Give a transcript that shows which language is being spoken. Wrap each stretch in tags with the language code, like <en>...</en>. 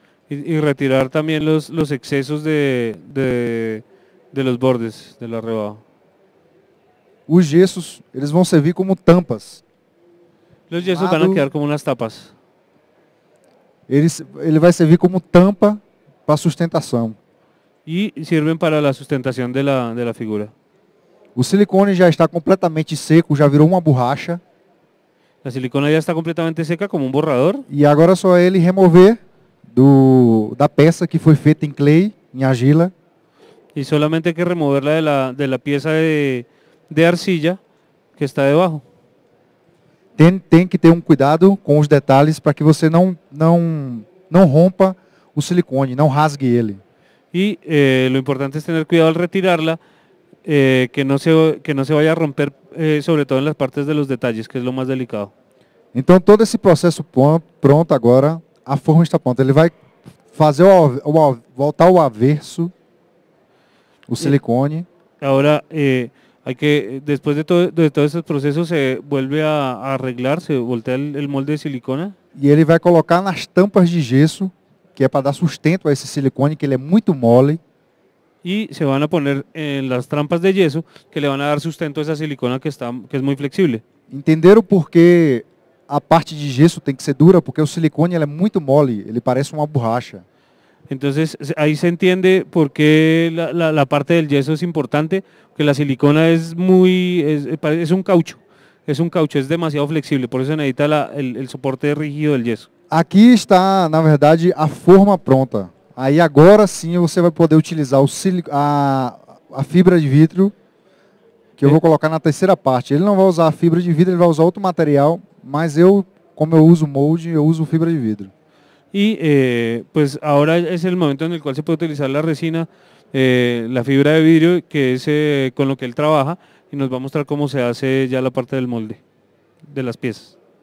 <es>Y retirar también los excesos de los bordes de la rebaba. Los yesos, ellos van a servir como tampas. Los yesos van a quedar como unas tapas. Él va a servir como tampa para sustentación.</es> <pt>E servem para a sustentação da figura. O silicone já está completamente seco, já virou uma borracha. A silicone já está completamente seca, como um borrador. E agora é só ele remover da peça que foi feita em clay, em argila. E solamente tem que removerla da peça de arcilla que está debaixo. Tem que ter um cuidado com os detalhes para que você não rompa o silicone, não rasgue ele.</pt> <es>Y lo importante es tener cuidado al retirarla, que no se vaya a romper, sobre todo en las partes de los detalles, que es lo más delicado. Entonces, todo ese proceso pronto ahora, la forma está pronta. Él va a hacer voltar al averso, el silicone. Ahora, hay que, después de todo ese proceso, se vuelve a arreglar, se voltea el molde de silicona. Y él va a colocar en las</es> <pt>tampas de gesso, que é para dar sustento a esse silicone, que ele é muito mole.</pt> <es>E se vão poner em las trampas de yeso, que le van a dar sustento a essa silicona</es> <pt>que é muito flexível. Entenderam por que a parte de gesso tem que ser dura? Porque o silicone ele é muito mole, ele parece uma borracha. Então, aí se entende por que a parte del yeso é importante, porque a silicona é muito. É um caucho.</pt> <es>Es un caucho, es demasiado flexible, por eso necesita el soporte rígido del yeso. Aquí está,</es> <pt>na verdade, a forma pronta. Aí agora sim você vai poder utilizar a fibra de vidro, que eu vou colocar na terceira parte. Ele não vai usar a fibra de vidro, ele vai usar outro material, mas eu, como eu uso molde, eu uso fibra de vidro.</pt> <es>Y pues ahora es el momento en el cual se puede utilizar la resina, la fibra de vidrio, que es con lo que él trabaja. Y nos va a mostrar cómo se hace ya la parte del molde, de las piezas.</es>